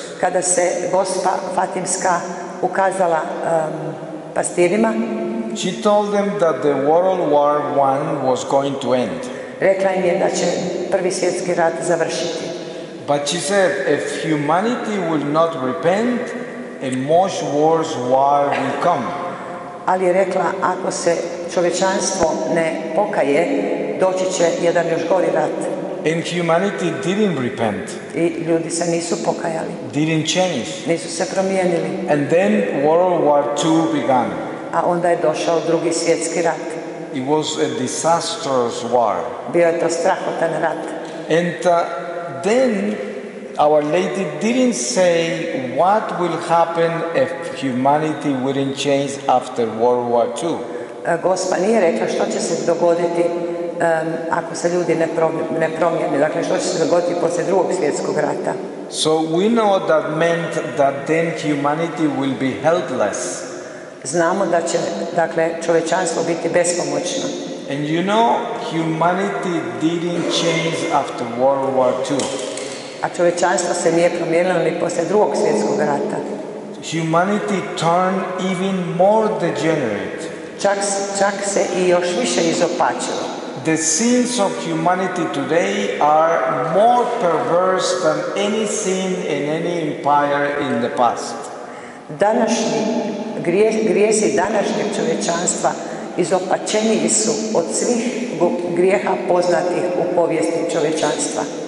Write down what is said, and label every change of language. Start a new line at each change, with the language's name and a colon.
Croatian: kada se Gospa Fatimska ukazala pastirima,
English: she told them that the World War I was going to end.
Croatian: Rekla im je da će prvi svjetski rat završiti.
English: But she said, if humanity will not repent, a much worse war will come.
Croatian: Ali je rekla, ako se čovječanstvo ne pokaje, doći će jedan još gori rat.
English: And humanity didn't repent.
Croatian: I ljudi se nisu pokajali.
English: Didn't change.
Croatian: Nisu se promijenili.
English: And then World War II began.
Croatian: A onda je došao drugi svjetski rat.
English: It was a disastrous war.
Croatian: Bio je to strahotan rat.
English: And then Our Lady didn't say what will happen if humanity wouldn't change after World War II.
Croatian: Gospa nije rekla što će se dogoditi ako se ljudi ne promijene, dakle što će se dogoditi poslije drugog svjetskog rata.
English: So we know that meant that then humanity will be helpless.
Croatian: Znamo da će, dakle, čovječanstvo biti bespomoćno.
English: And you know, humanity didn't change after World War II.
Croatian: A čovječanstvo se nije promijenilo ni poslije drugog svjetskog rata.
English: Humanity turned even more degenerate.
Croatian: Čak se i još više izopačilo.
English: The sins of humanity today are more perverse than any sin in any empire in the past.
Croatian: Današnji grijesi današnjeg čovječanstva izopačeniji su od svih grijeha poznatih u povijesti čovječanstva.